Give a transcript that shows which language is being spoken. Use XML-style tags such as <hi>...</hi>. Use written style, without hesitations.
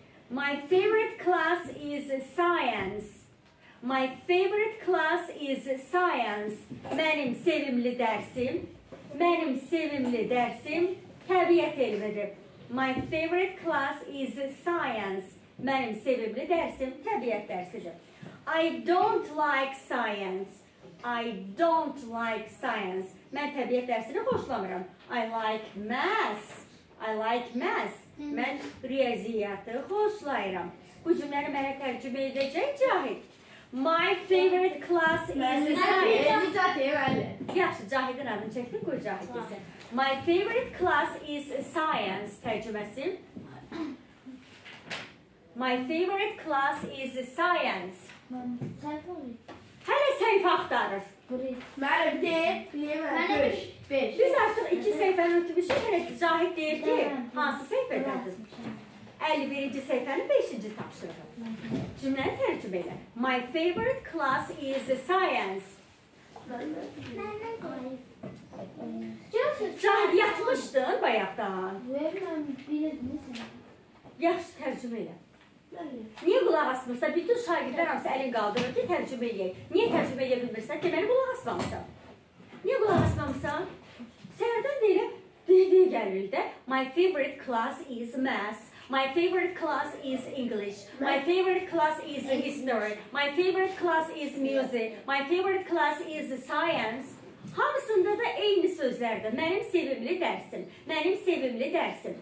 <en>My favorite class is science. My favorite class is science.</en> <az>Mənim sevimli dərsim təbiət elmidir.</az> <en>My favorite class is science.</en> <az>Mənim sevimli dərsim təbiət dərsidir.</az> <en>I don't like science.</en> <az>Mən təbiət dərsini xoşlamıram.</az> <en>I like math.</en> <az>Mən riyaziyyatı xoşlayıram. Bu cümləni mənə tərcümə edəcək Cahid.</az> <en>My favorite class is science.</en> <az>Yaxşı, Cahidin adını çəkdim, qoy Cahid desin.</az> <en>My favorite class is science.</en> <az>Tərcüməsi.</az> <en>My favorite class is science.</en> <az>Hələ səhifə axtarır. Mənim deyir, bilməyəm, 5. Biz artıq 2 səhifəni ötmüşük, hələ Cahid deyir ki, hansı səhifədədir? 51-ci səhifəni 5-ci tapşırıq. Cümləni tərcümə edək.</az> <en>My favorite class is science.</en> <az>Cahid, yatmışdın bayaqdan. Yaxşı, tərcümə edək. Niyə qulaq asmırsa? Bütün şagirdlər hamısı əlin qaldırır ki, tərcümə eləyək. Niyə tərcümə eləyə bilmirsən? Deməli, qulaq asmamışsan. Niyə qulaq asmamışsan? Səhərdən deyilə, deyilə gəlir də.</az> <en>My favorite class is math. My favorite class is English. My favorite class is history. My favorite class is music. My favorite class is science.</en> <az>Hamısında da eyni sözlərdir. Mənim sevimli dərsim.</az>